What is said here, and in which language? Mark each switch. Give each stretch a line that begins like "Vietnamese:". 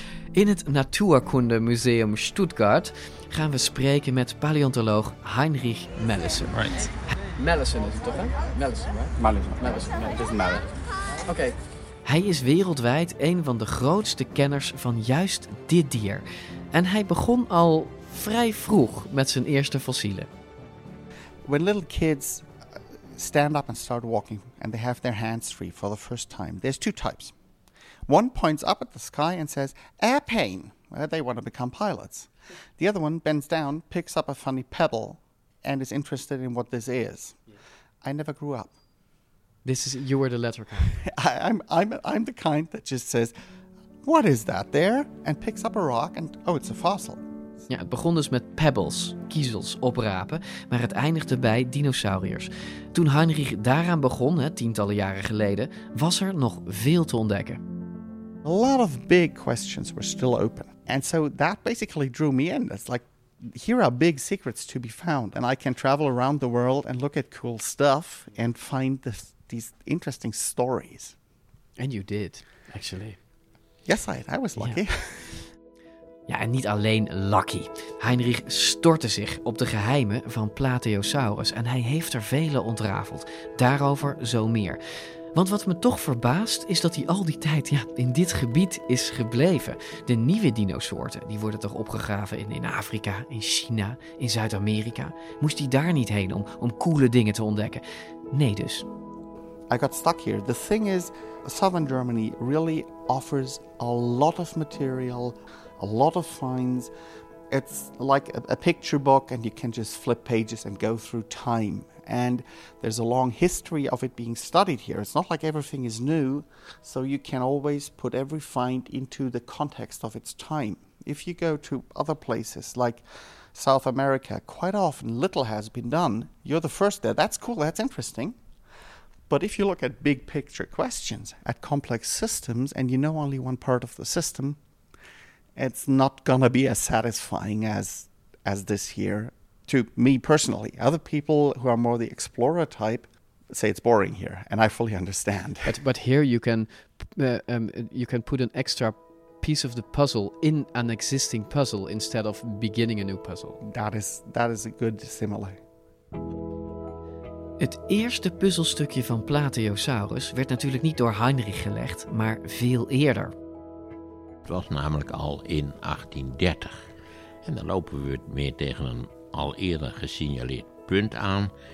Dutch: In het Natuurkundemuseum Stuttgart gaan we spreken met paleontoloog Heinrich Mellissen.
English: Right.
Dutch: Mellissen is het toch, hè? Mellissen. Oké. Hij is wereldwijd een van de grootste kenners van juist dit dier. En hij begon al vrij vroeg met zijn eerste fossielen.
English: When little kids stand up and start walking and they have their hands free for the first time, there's two types. One points up at the sky and says, airplane, well, they want to become pilots. The other one bends down, picks up a funny pebble and is interested in what this is. I never grew up. This is, you were the letter guy. I'm the kind that just says, what is that there? And picks up a rock and, oh, it's a fossil.
Dutch: Ja, het begon dus met pebbles, kiezels, oprapen, maar het eindigde bij dinosauriërs. Toen Heinrich daaraan begon, hè, tientallen jaren geleden, was er nog veel te ontdekken.
English: A lot of big questions were still open. And so that basically drew me in. It's like, here are big secrets to be found. And I can travel around the world and look at cool stuff and find this. These interesting stories. And you did, actually. Yes, I was lucky. Yeah.
Dutch: Ja, en niet alleen Lucky. Heinrich stortte zich op de geheimen van Plateosaurus en hij heeft er vele ontrafeld. Daarover zo meer. Want wat me toch verbaast is dat hij al die tijd in dit gebied is gebleven. De nieuwe dinosoorten, die worden toch opgegraven in Afrika, in China, in Zuid-Amerika. Moest hij daar niet heen om coole dingen te ontdekken? Nee dus.
English: I got stuck here. The thing is, Southern Germany really offers a lot of material, a lot of finds. It's like a picture book and you can just flip pages and go through time. And there's a long history of it being studied here. It's not like everything is new, so you can always put every find into the context of its time. If you go to other places like South America, quite often little has been done. You're the first there. That's cool. That's interesting. But if you look at big picture questions, at complex systems, and you know only one part of the system, it's not going to be as satisfying as this here. To me personally, other people who are more the explorer type say it's boring here, and I fully understand. But here you can put an extra piece of the puzzle in an existing puzzle instead of beginning a new puzzle. That is a good simile.
Dutch: Het eerste puzzelstukje van Plateosaurus werd natuurlijk niet door Heinrich gelegd, maar veel eerder. Het was namelijk al in 1830, en dan lopen we meer tegen een al eerder gesignaleerd punt aan.